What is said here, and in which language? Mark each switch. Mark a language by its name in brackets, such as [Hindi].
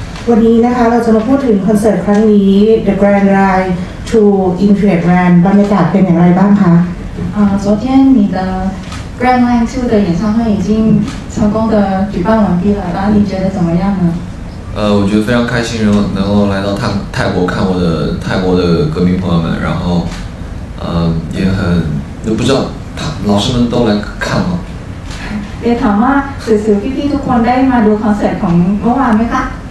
[Thai] วันนี้นะคะเราจะมาพูดถึงคอนเสิร์ตครั้งนี้ The Grand Line to Infinite Land บรรยากาศเป็นอย่างไรบ้างคะ [Chinese] 昨天你的 Grand Line 2的演唱会已经成功的举办完毕了，那你觉得怎么样呢？我觉得非常开心，能够来到泰国看我的泰国的歌迷朋友们，然后，也很，不知道他老师们都来看吗？ [Thai] 也ถามว่าสื่อสื่อพี่พี่ทุกคนได้มาดูคอนเสิร์ตของเมื่อวานไหมคะ？